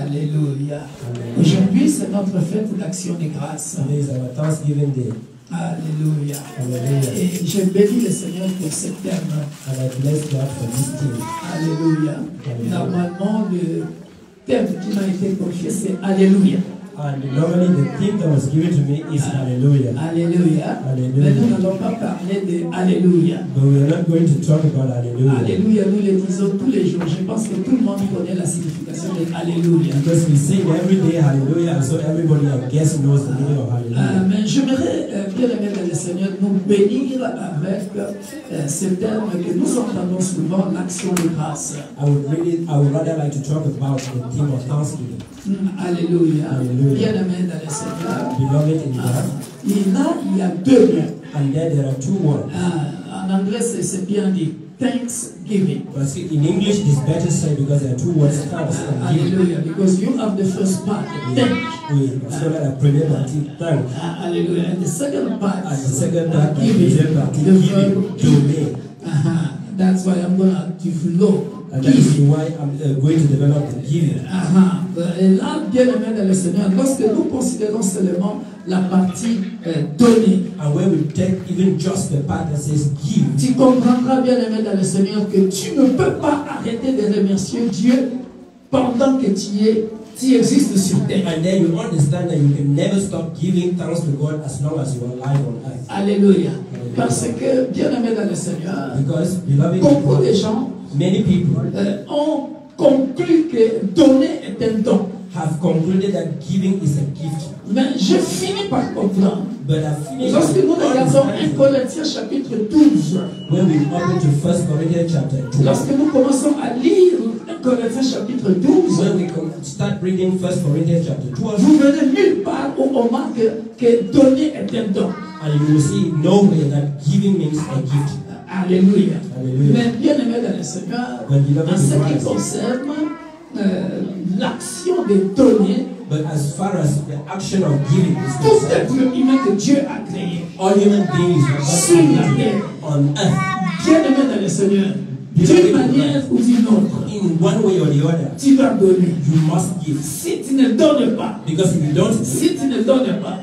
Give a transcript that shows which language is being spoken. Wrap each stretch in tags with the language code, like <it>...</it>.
<fr>Alléluia. Aujourd'hui, c'est notre fête d'action de grâce.</fr> <en>Thanksgiving Day.</en> <fr>Alléluia. Alléluia. Et je bénis le Seigneur pour ce terme. Alléluia. Alléluia. Normalement, le terme qui m'a été confié, c'est Alléluia.</fr> <en>And normally the thing that was given to me is Alleluia. Alleluia. Alleluia.</en> <fr>Mais nous n'allons pas parler de Alleluia.</fr> <en>But we are not going to talk about Alleluia.</en> <fr>Alleluia, nous le disons tous les jours. Je pense que tout le monde connaît la signification de Alleluia.</fr> <en>Because we sing every day Alleluia, so everybody, I guess, knows the meaning of Alleluia.</en> <fr>Mais j'aimerais bien aimer le Seigneur nous bénir avec ce terme que nous entendons souvent, l'action de grâce.</fr> <en>I would rather like to talk about the theme of thanksgiving.</en> <fr>Alléluia. Bien aimé dans le Seigneur.</fr> <en>Beloved in God.</en> <fr>Et là, il y a deux mots.</fr> <en>And there, there are two words.</en> <fr>En anglais, c'est bien dit Thanksgiving.</fr> <en>But see, in English, it's better said because there are two words, thanks and giving. Alléluia. Because you have the first part, thank.</en> <fr>Oui, parce que là, la première partie, thank.</fr> <en>Alléluia. And the second part, and the second part, giving. The second part, giving. That's why I'm going to develop. And that is why I'm going to develop the giving.</en> <fr>Et là, bien aimé dans le Seigneur, lorsque nous considérons seulement la partie donnée,</fr> <en>and when we take even just the part that says give,</en> <fr>tu comprendras bien aimé dans le Seigneur que tu ne peux pas arrêter de remercier Dieu pendant que tu existes sur terre.</fr> <en>And then you understand that you can never stop giving thanks to God as long as you are alive on earth.</en> <fr>Alléluia. Parce que bien aimé dans le Seigneur, beaucoup de gens,</fr> <en>many people,</en> <fr>ont conclu que donner est un don.</fr> <en>Have concluded that giving is a gift.</en> <fr>Mais je finis par comprendre.</fr> <en>But I finish.</en> <fr>Lorsque nous regardons 1 Corinthiens chapitre 12.</fr> <en>When we open to 1 Corinthians chapter 12.</en> <fr>Lorsque nous commençons à lire 1 Corinthiens chapitre 12.</fr> <en>When we start reading 1 Corinthians chapter 12.</en> <fr>Vous venez nulle part où on marque que donner est un don.</fr> <en>And you will see nowhere that giving means a gift.</en> <fr>Alléluia. Alléluia. Mais bien aimé dans le Seigneur, en ce qui concerne l'action de donner,</fr> <en>but as far as the action of giving is concerned,</en> <fr>tout être humain que Dieu a créé,</fr> <en>all human beings</en> <fr>sur la terre,</fr> <en>on earth,</en> <fr>bien aimé dans le Seigneur, d'une manière ou d'une autre,</fr> <en>in one way or the other,</en> <fr>tu dois donner.</fr> <en>You must give.</en> <fr>Si tu ne donnes pas,</fr> <en>because if you don't,</en> <fr>si tu ne donnes pas,</fr>